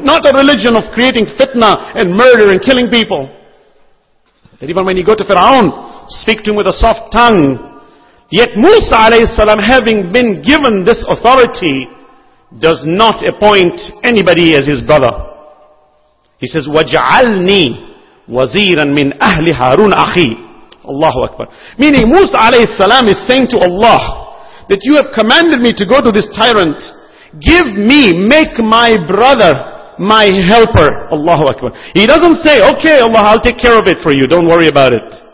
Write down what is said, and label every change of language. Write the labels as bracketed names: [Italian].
[English] Not a religion of creating fitna and murder and killing people. That even when you go to Fir'aun, speak to him with a soft tongue. Yet Musa alayhi salam, having been given this authority, does not appoint anybody as his brother. He says, [Arabic] وَجْعَلْنِي وَزِيرًا مِنْ أَهْلِ هَارُونَ أَخِي. Allahu Akbar. [English] Meaning Musa alayhi salam is saying to Allah, that you have commanded me to go to this tyrant. Give me, make my brother my helper. Allahu Akbar. He doesn't say, okay Allah, I'll take care of it for you. Don't worry about it.